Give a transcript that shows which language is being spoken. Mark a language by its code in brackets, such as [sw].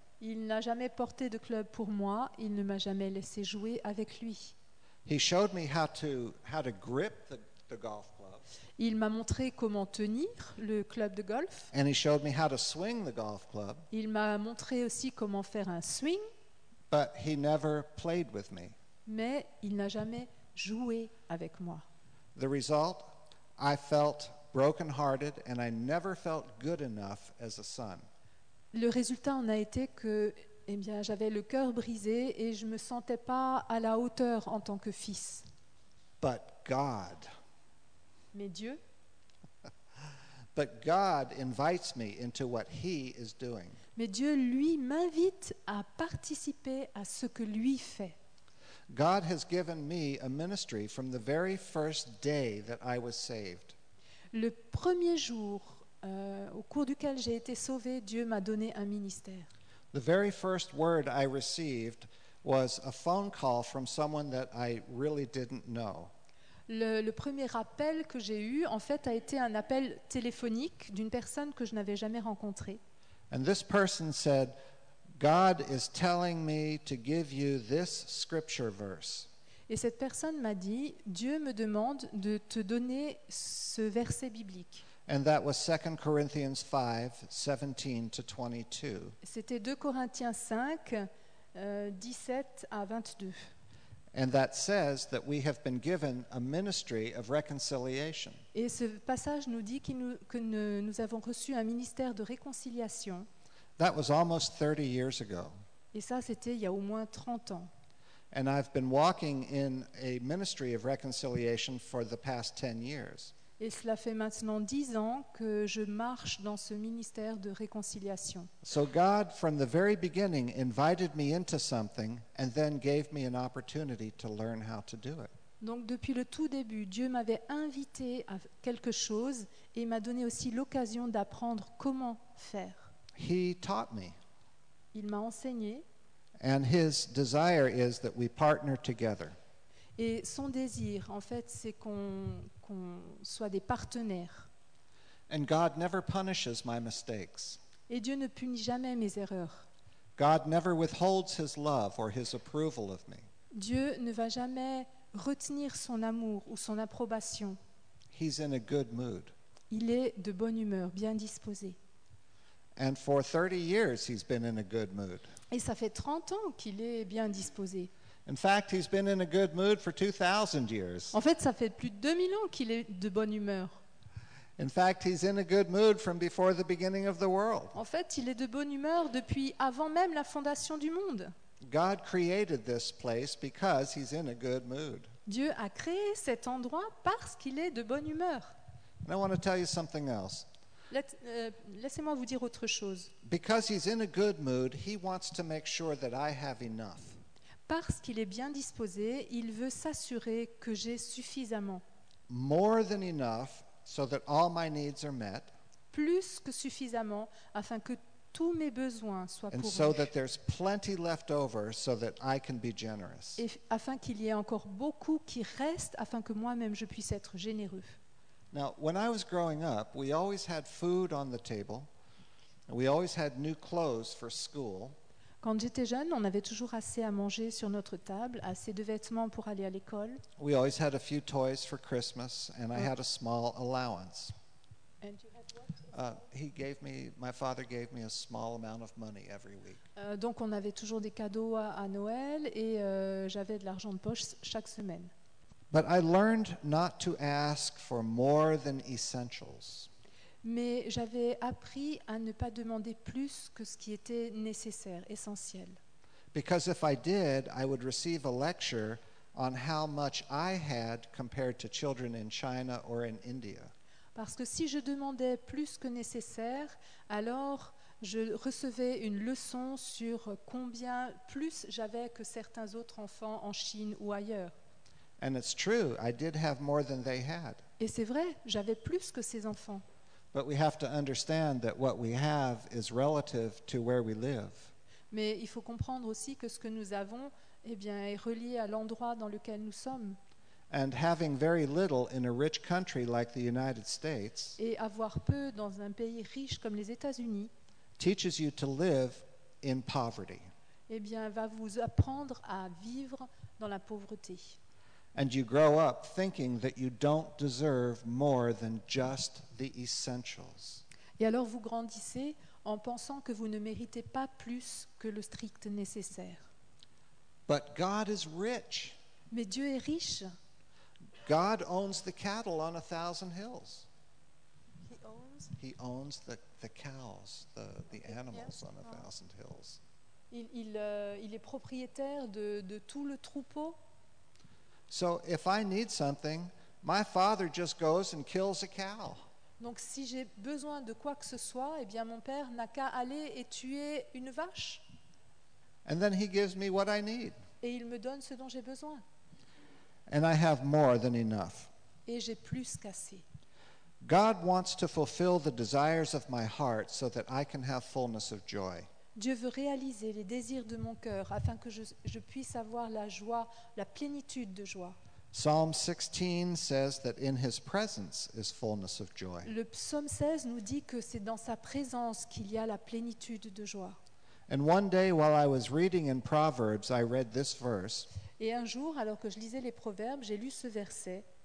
[fr] Il n'a jamais porté de clubs pour moi. Il ne m'a jamais laissé jouer avec lui. [en] He showed me how to grip the golf club. [fr] Il m'a montré comment tenir le club de golf. [en] And he showed me how to swing the golf club. [fr] Il m'a montré aussi comment faire un swing. [en] But he never played with me. [fr] Mais il n'a jamais joué avec moi. [en] The result, I felt broken-hearted and I never felt good enough as a son. [fr] Le résultat en a été que eh bien, j'avais le cœur brisé et je ne me sentais pas à la hauteur en tant que fils. [en] But God, [fr] mais Dieu, [en] but God invites me into what he is doing. [fr] Mais Dieu, lui, m'invite à participer à ce que lui fait. [en] God has given me a ministry from the very first day that I was saved. [fr] Le premier jour au cours duquel j'ai été sauvé, Dieu m'a donné un ministère. [en] The very first word I received was a phone call from someone that I really didn't know. [fr] Le premier appel que j'ai eu, en fait, a été un appel téléphonique d'une personne que je n'avais jamais rencontrée. [en] And this person said, God is telling me to give you this scripture verse. [fr] Et cette personne m'a dit, Dieu me demande de te donner ce verset biblique. [en] And that was 2 Corinthians 5, 17 to 22. [fr] C'était 2 Corinthiens 5, 17 à 22. [en] And that says that we have been given a ministry of reconciliation. [fr] Et ce passage nous dit que nous avons reçu un ministère de réconciliation. [en] That was almost 30 years ago. [fr] Et ça, c'était il y a au moins 30 ans. [en] And I've been walking in a ministry of reconciliation for the past 10 years. [fr] Et cela fait maintenant 10 ans que je marche dans ce ministère de réconciliation. [en] So God, from the very beginning, invited me into something and then gave me an opportunity to learn how to do it. [fr] Donc depuis le tout début, Dieu m'avait invité à quelque chose et m'a donné aussi l'occasion d'apprendre comment faire. [en] He taught me. [fr] Il m'a enseigné. [en] And his desire is that we partner together. [fr] Et son désir, en fait, c'est qu'on soit des partenaires. [en] And God never punishes my mistakes. [fr] Et Dieu ne punit jamais mes erreurs. [en] God never withholds his love or his approval of me. [fr] Dieu ne va jamais retenir son amour ou son approbation. [en] He's in a good mood. [fr] Il est de bonne humeur, bien disposé. [en] And for 30 years, he's been in a good mood. [fr] Et ça fait 30 ans qu'il est bien disposé. [en] In fact, he's been in a good mood for 2,000 years. [fr] En fait, ça fait plus de 2000 ans qu'il est de bonne humeur. [en] In fact, he's in a good mood from before the beginning of the world. [fr] En fait, il est de bonne humeur depuis avant même la fondation du monde. [en] God created this place because he's in a good mood. [fr] Dieu a créé cet endroit parce qu'il est de bonne humeur. [en] And I want to tell you something else. [fr] Laissez-moi vous dire autre chose. [en] Because he's in a good mood, he wants to make sure that I have enough. [fr] parce qu'il est bien disposé, il veut s'assurer que j'ai suffisamment. [en] More than enough, so that all my needs are met. [fr] Plus que suffisamment, afin que tous mes besoins soient pourvus. [en] And so that there's plenty left over, so that I can be generous. [fr] Et afin qu'il y ait encore beaucoup qui reste, afin que moi-même je puisse être généreux. [en] Now, when I was growing up, we always had food on the table, and we always had new clothes for school. [fr] Quand j'étais jeune, on avait toujours assez à manger sur notre table, assez de vêtements pour aller à l'école. [en] We always had a few toys for Christmas, and I had a small allowance. And you had what? My father gave me a small amount of money every week. [fr] Donc on avait toujours des cadeaux à Noël et j'avais de l'argent de poche chaque semaine. [en] But I learned not to ask for more than essentials. [fr] Mais j'avais appris à ne pas demander plus que ce qui était nécessaire, essentiel. [en] Because if I did, I would receive a lecture on how much I had compared to children in China or in India. [fr] Parce que si je demandais plus que nécessaire, alors je recevais une leçon sur combien plus j'avais que certains autres enfants en Chine ou ailleurs. [en] And it's true, I did have more than they had. [fr] Et c'est vrai, j'avais plus que ces enfants. [en] But we have to understand that what we have is relative to where we live. [fr] Mais il faut comprendre aussi que ce que nous avons, eh bien, est relié à l'endroit dans lequel nous sommes. [en] And having very little in a rich country like the United States. [fr] Et avoir peu dans un pays riche comme les États-Unis. [en] Teaches you to live in poverty. [fr] Eh bien, va vous apprendre à vivre dans la pauvreté. [en] And you grow up thinking that you don't deserve more than just the essentials. [fr] Et alors vous grandissez en pensant que vous ne méritez pas plus que le strict nécessaire. [en] But God is rich. [fr] Mais Dieu est riche. [en] God owns the cattle on 1,000 hills. He owns the cows, the animals on 1,000 hills. [fr] Il est propriétaire de tout le troupeau. [en] So if I need something, my father just goes and kills a cow. [fr] Donc si j'ai besoin de quoi que ce soit, eh bien mon père n'a qu'à aller et tuer une vache. [en] And then he gives me what I need. [fr] Et il me donne ce dont j'ai besoin. [en] And I have more than enough. [fr] Et j'ai plus qu'assez. [en] God wants to fulfill the desires of my heart so that I can have fullness of joy. [fr] Dieu veut réaliser les désirs de mon cœur afin que je puisse avoir la joie, la plénitude de joie. [en] Psalm 16 says that in his presence is fullness of joy. [fr] Le psaume 16 nous dit que c'est dans sa présence qu'il y a la plénitude de joie. [en] And one day while I was reading in Proverbs, I read this verse. [fr] Et un jour, alors que je lisais les Proverbes, j'ai lu ce verset.